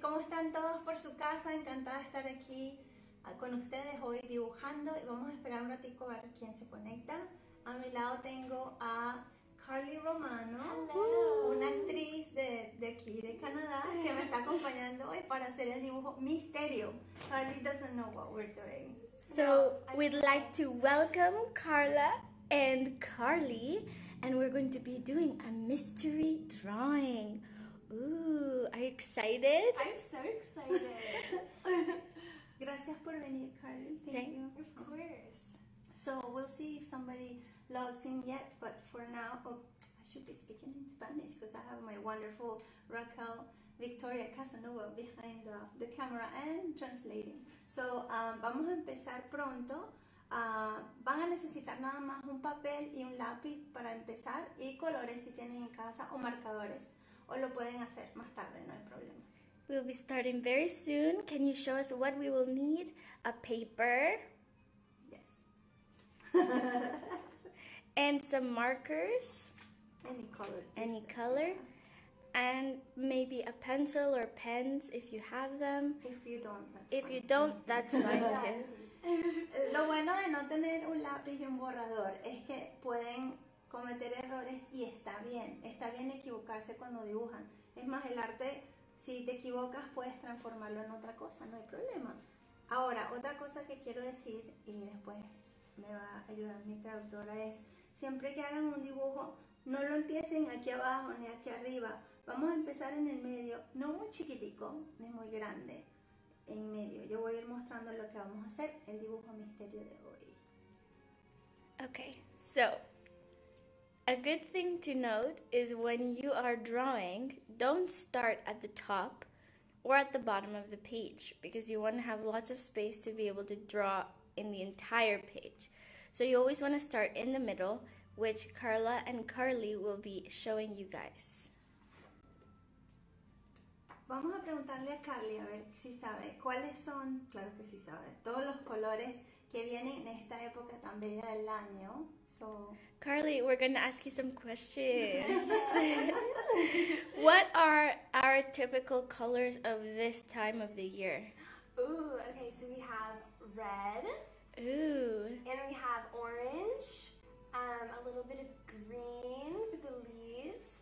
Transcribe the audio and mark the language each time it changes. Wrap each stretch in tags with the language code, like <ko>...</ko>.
<es>¿Cómo están todos por su casa? Encantada de estar aquí con ustedes hoy dibujando y vamos a esperar un ratito a ver quién se conecta. A mi lado tengo a Carly Romano, una actriz de aquí, de Canadá, que me está acompañando hoy para hacer el dibujo Misterio.</es> <en>Carly doesn't know what we're doing. So, we'd like to welcome Carla and Carly, and we're going to be doing a mystery drawing. Ooh, are you excited? I'm so excited.</en> <es>Gracias por venir, Carly.</es> <en>Thank you. Of course. So, we'll see if somebody logs in yet, but for now, I should be speaking in Spanish because I have my wonderful Raquel Victoria Casanova behind the camera and translating.</en> <es>So, vamos a empezar pronto. Van a necesitar nada más un papel y un lápiz para empezar y colores si tienen en casa o marcadores. O lo pueden hacer más tarde, no hay problema.</es> <en>We'll be starting very soon. Can you show us what we will need? A paper. Yes. And some markers. Any color. And maybe a pencil or pens if you have them. If you don't, that's fine too.</en> <es>Lo bueno de no tener un lápiz y un borrador es que pueden cometer errores y está bien. Está bien equivocarse cuando dibujan. Es más, el arte, si te equivocas, puedes transformarlo en otra cosa, no hay problema. Ahora, otra cosa que quiero decir, y después me va a ayudar mi traductora, es siempre que hagan un dibujo, no lo empiecen aquí abajo ni aquí arriba. Vamos a empezar en el medio, no muy chiquitico, ni muy grande, en medio. Yo voy a ir mostrando lo que vamos a hacer, el dibujo misterio de hoy.</es> <en>Okay, so, a good thing to note is when you are drawing, don't start at the top or at the bottom of the page, because you want to have lots of space to be able to draw in the entire page. So you always want to start in the middle, which Carla and Carly will be showing you guys.</en> <es>Vamos a preguntarle a Carly a ver si sabe cuáles son, claro que sí sabe, todos los colores que vienen en esta época tan bella del año.</es> <en>So, Carly, we're going to ask you some questions. What are our typical colors of this time of the year? Ooh, okay, so we have red. Ooh. And we have orange, a little bit of green with the leaves.</en>